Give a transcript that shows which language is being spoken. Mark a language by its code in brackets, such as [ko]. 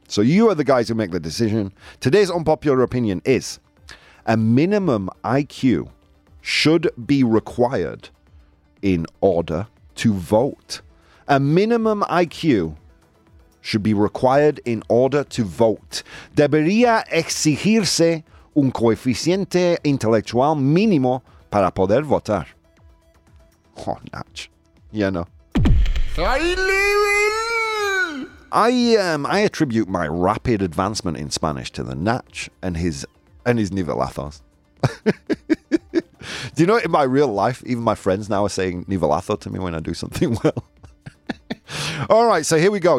[en] So you are the guys who make the decision. Today's unpopular opinion is... A minimum IQ should be required in order to vote. A minimum IQ should be required in order to vote. [es] Debería exigirse un coeficiente intelectual mínimo para poder votar. [en] Oh, Natch. You know. I attribute my rapid advancement in Spanish to the Natch and his... And he's Nivelathos. Do you know, in my real life, even my friends now are saying Nivelatho to me when I do something well. All right, so here we go.